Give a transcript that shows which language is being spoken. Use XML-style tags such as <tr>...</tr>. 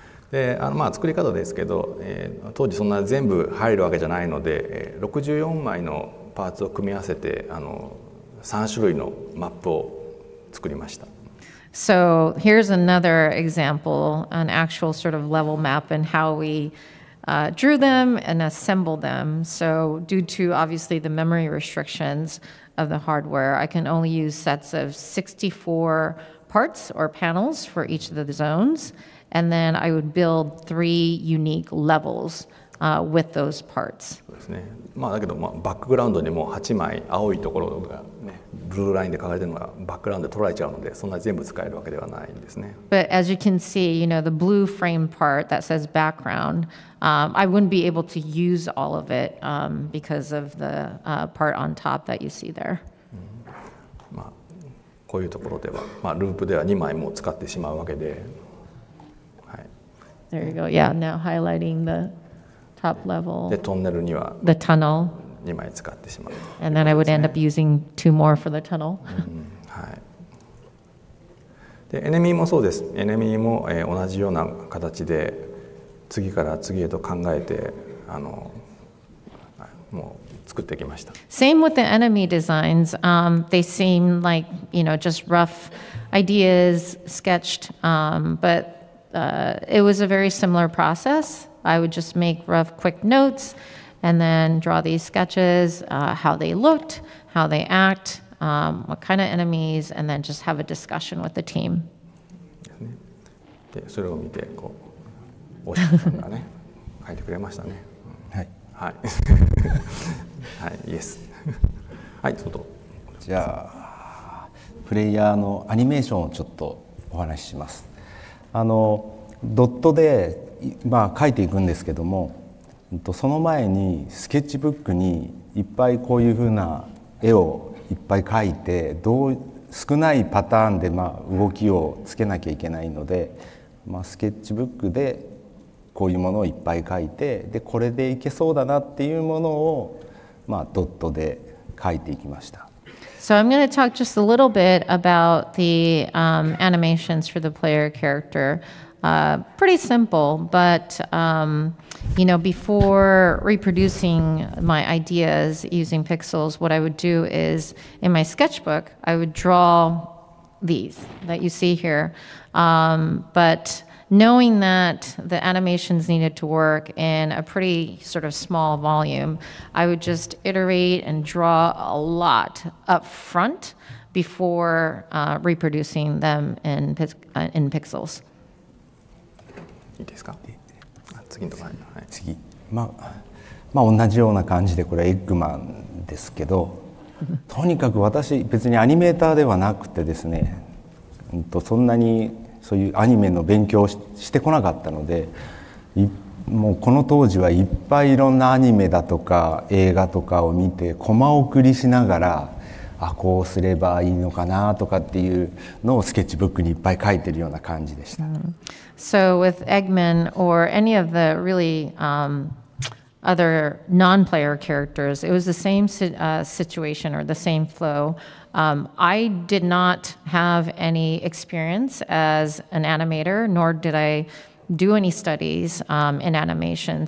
<ja>で、作り方ですけど、当時そんな全部入るわけじゃないので、64枚のパーツを組み合わせて、3種類のマップを作りました。</ja> <en>So here's another example, an actual sort of level map and how we drew them and assembled them. So due to obviously the memory restrictions of the hardware, I can only use sets of 64 parts or panels for each of the zones. And then I would build three unique levels with those parts.</en> <ja>だけど、バックグラウンドにも8枚青いところがブルーラインで書かれているのがバックグラウンドで取られちゃうので、そんな全部使えるわけではないんですね。</ja> <en>But as you can see, you know, the blue frame part that says background, I wouldn't be able to use all of it because of the part on top that you see there.</en> <ja>こういうところでは、ループでは2枚も使ってしまうわけで。はい。</ja> <en>There you go. Yeah, now highlighting the top level.</en> <ja>で、トンネルには。</ja> <en>The tunnel.</en> <ja>2枚使ってしまう。</ja> <en>And then I would end up using two more for the tunnel.</en> <ja>はい。で、エネミーもそうです。エネミーも同じような形で次から次へと考えてもう作ってきました。</ja> <en>Same with the enemy designs. They seem like, you know, just rough ideas sketched. But it was a very similar process. I would just make rough, quick notes. And then draw these sketches, how they looked, how they act, what kind of enemies, and then just have a discussion with the team.</en> <ja>で、それを見て、こう、おしさんがね、書いてくれましたね。はい。はい。はい、イエス。はい、外。じゃあ、プレイヤーのアニメーションをちょっとお話しします。ドットで、まあ、書いていくんですけども、その前にスケッチブックにいっぱいこういうふうな絵をいっぱい描いて、どう少ないパターンで動きをつけなきゃいけないので、スケッチブックでこういうものをいっぱい描いて、でこれでいけそうだなっていうものをドットで描いていきました。</ja> <en>So I'm going to talk just a little bit about the animations for the player character. Pretty simple, but you know, before reproducing my ideas using pixels, what I would do is in my sketchbook, I would draw these that you see here. But knowing that the animations needed to work in a pretty sort of small volume, I would just iterate and draw a lot up front before reproducing them in pixels.</en> <ja>いいですか。次のところ、はい、次、同じような感じで、これはエッグマンですけど、とにかく私別にアニメーターではなくてですね、そんなにそういうアニメの勉強を してこなかったので、もうこの当時はいっぱいいろんなアニメだとか映画とかを見て、コマ送りしながらあ、こうすればいいのかなとかっていうのをスケッチブックにいっぱい書いてるような感じでした。</ja> <en>So with Eggman or any of the really, other non-player characters, it was the same situation or the same flow. I did not have any experience as an animator, nor did I do any studies in animation.</en>